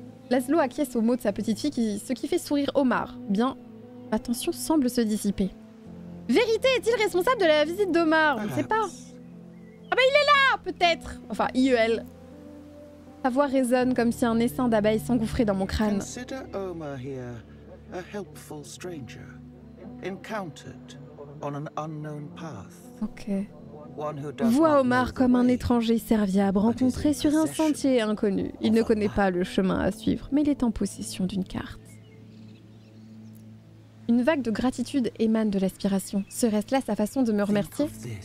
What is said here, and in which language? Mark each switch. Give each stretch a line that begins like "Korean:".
French: Laszlo acquiesce aux mots de sa petite fille, ce qui fait sourire Omar. Bien, la tension semble se dissiper. Vérité, est-il responsable de la visite d'Omar ? On ne sait pas. Ah bah il est là, peut-être ! Enfin, IEL. Sa voix résonne comme si un essaim d'abeilles s'engouffrait dans mon crâne.
English: Consider Omar here a helpful stranger, encountered on an unknown path. Ok.
French: Vois Omar comme un étranger serviable, rencontré sur un sentier inconnu. Il ne connaît pas le chemin à suivre, mais il est en possession d'une carte. Une vague de gratitude émane de l'aspiration. Serait-ce là sa façon de me remercier ?